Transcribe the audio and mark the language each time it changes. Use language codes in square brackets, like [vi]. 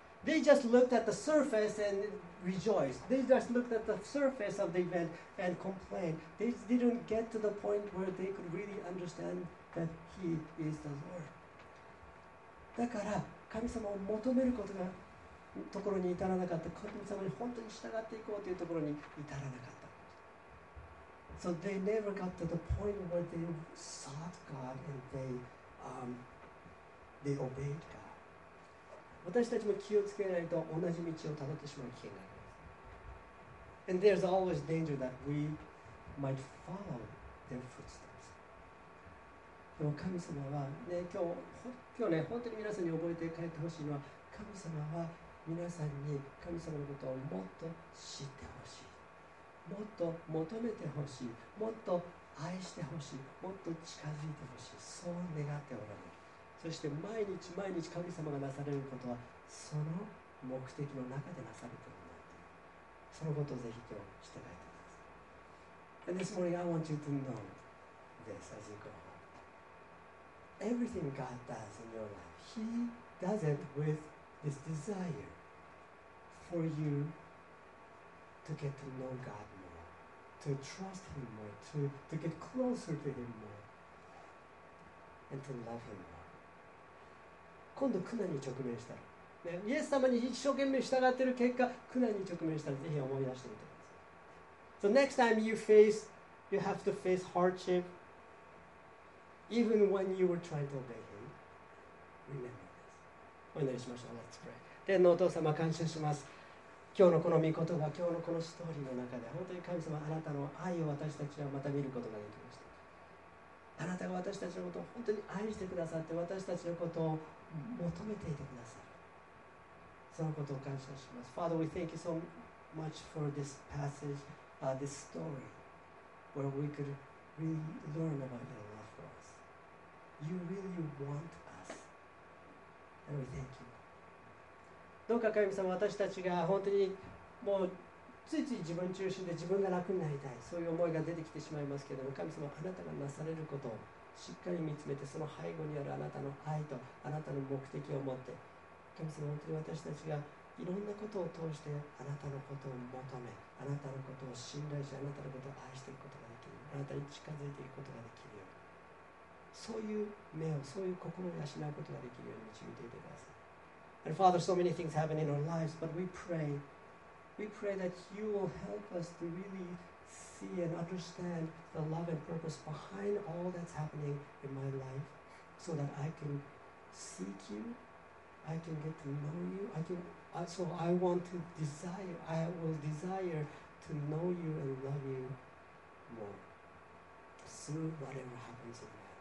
[en] They just looked at the surface and rejoiced. They just looked at the surface of the event and complained. They didn't get to the point where they could really understand that He is the Lord. [ja] だから神様を求めることがところに至らなかった。神様に本当に従っていこうというところに至らなかった。 [en] So they never got to the point where they sought God and they obeyed God. [ja] 私たちも気をつけないと同じ道をたどってしまう危険があります。 [en] And there's always danger that we might follow their footsteps. [ja] でも神様は、ね、今日ね、本当に皆さんに覚えて帰ってほしいのは、神様は皆さんに神様のことをもっと知ってほしい、もっと求めてほしい、もっと愛してほしい、もっと近づいてほしい、そう願っておられる。そして毎日毎日神様がなされることはその目的の中でなされているんだ。そのことをぜひ今日していただきたいです。 [en] And this morning I want you to know this as you go home. Everything God does in your life, He does it withThis desire for you to get to know God more, to trust Him more, to get closer to Him more, and to love Him more. [ja] 今度苦難に直面したら、ね、イエス様に一生懸命従っている結果、苦難に直面したらぜひ思い出してみてください。 [en] So next time you have to face hardship, even when you were trying to obey Him, remember. [ja] お祈りしましょう。 [en] Let's pray. [ja] 天のお父様、感謝します。今日のこの御言葉、今日のこのストーリーの中で、本当に神様、あなたの愛を私たちはまた見ることができました。あなたが私たちのことを本当に愛してくださって、私たちのことを求めていてくださる、そのことを感謝します。 [en] Father, we thank you so much for this passage, this story where we could really learn about your love for us. You really wantAnd we thank you. [ja] どうか神様、私たちが本当にもうついつい自分中心で自分が楽になりたい、そういう思いが出てきてしまいますけれども、神様、あなたがなされることをしっかり見つめて、その背後にあるあなたの愛とあなたの目的を持って、神様、本当に私たちがいろんなことを通してあなたのことを求め、あなたのことを信頼し、あなたのことを愛していくことができる、あなたに近づいていくことができる、そういう目を、そういう心を養うことができるように導いていてください。 [en] And Father, so many things happen in our lives, but we pray that you will help us to really see and understand the love and purpose behind all that's happening in my life, so that I can seek you, I can get to know you, I will desire to know you and love you more through whatever happens in my life.